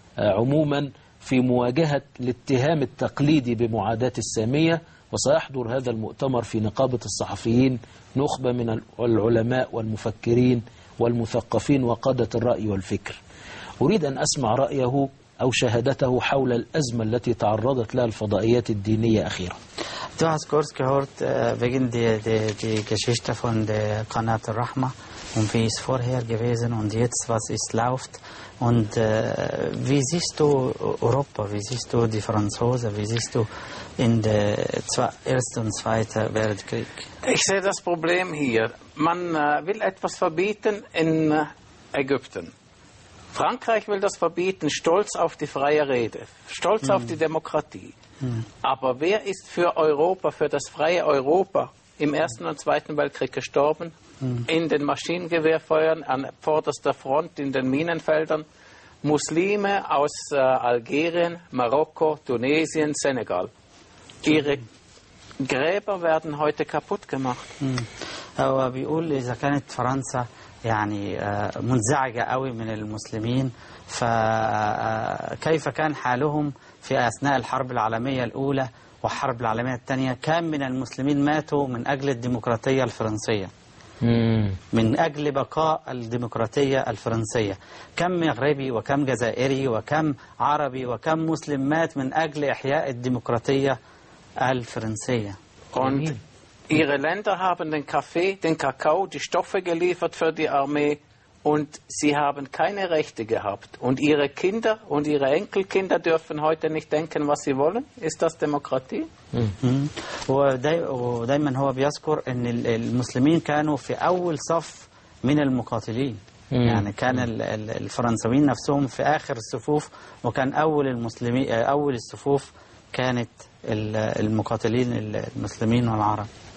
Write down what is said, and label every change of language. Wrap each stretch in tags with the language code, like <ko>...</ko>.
<ar>عموما في مواجهة الاتهام التقليدي بمعاداة السامية. وسيحضر هذا المؤتمر في نقابة الصحفيين نخبة من العلماء والمفكرين والمثقفين وقادة الرأي والفكر. أريد أن أسمع رأيه أو شهادته حول الأزمة التي تعرضت لها الفضائيات الدينية أخيرا.</ar> <de>Du hast kurz gehört wegen die Geschichte von der Kanat al-Rahma und wie es vorher gewesen und jetzt was ist läuft und wie siehst du Europa, wie siehst du die Franzosen, wie siehst du in der Erste und Zweite Weltkrieg? Ich sehe das Problem hier. Man will etwas verbieten in Ägypten. Frankreich will das verbieten, stolz auf die freie Rede, stolz auf die Demokratie. Aber wer ist für Europa, für das freie Europa im Ersten und Zweiten Weltkrieg gestorben? In den Maschinengewehrfeuern, an vorderster Front, in den Minenfeldern? Muslime aus Algerien, Marokko, Tunesien, Senegal. Ihre Gräber werden heute kaputt gemacht. Aber wie Uli, da kann nicht Franz</de> <ar>يعني منزعجة قوي من المسلمين فكيف كان حالهم في أثناء الحرب العالمية الأولى وحرب العالمية الثانية كم من المسلمين ماتوا من أجل الديمقراطية الفرنسية من أجل بقاء الديمقراطية الفرنسية كم مغربي وكم جزائري وكم عربي وكم مسلم مات من أجل إحياء الديمقراطية الفرنسية</ar> <de>Ihre Länder haben den Kaffee, den Kakao, die Stoffe geliefert für die Armee und sie haben keine Rechte gehabt. Und ihre Kinder und ihre Enkelkinder dürfen heute nicht denken, was sie wollen. Ist das Demokratie?</de> <ar>ودايما هو بيذكر ان المسلمين كانوا في اول صف من المقاتلين يعني كان الفرنسيين نفسهم في اخر الصفوف وكان اول المسلمين اول الصفوف كانت المقاتلين المسلمين والعرب.</ar>